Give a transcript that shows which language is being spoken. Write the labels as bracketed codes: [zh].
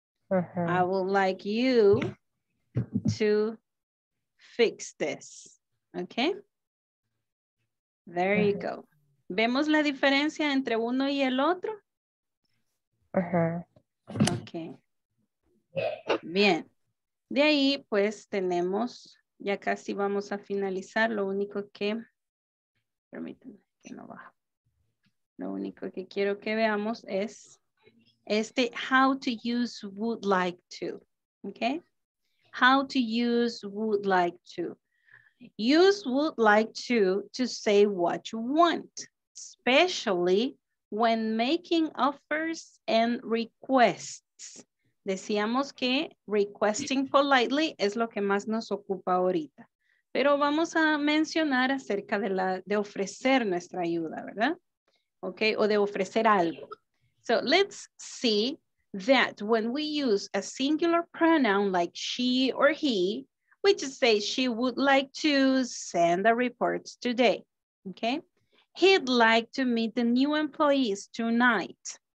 [en] Uh-huh. I would like you to fix this. Okay? There you go. [es] ¿Vemos la diferencia entre uno y el otro? Uh-huh. Okay. Bien. De ahí, pues, tenemos... Ya casi vamos a finalizar. Lo único que, permítanme que no baja. Lo único que quiero que veamos es este, [en] how to use would like to. [es] Okay. [en] How to use would like to. Use would like to say what you want, especially when making offers and requests. [es] Decíamos que [en] requesting politely [es] es lo que más nos ocupa ahorita. Pero vamos a mencionar acerca de la de ofrecer nuestra ayuda, ¿verdad? Okay, o de ofrecer algo. [en] So let's see that when we use a singular pronoun like she or he, we just say she would like to send the reports today. Okay, he'd like to meet the new employees tonight.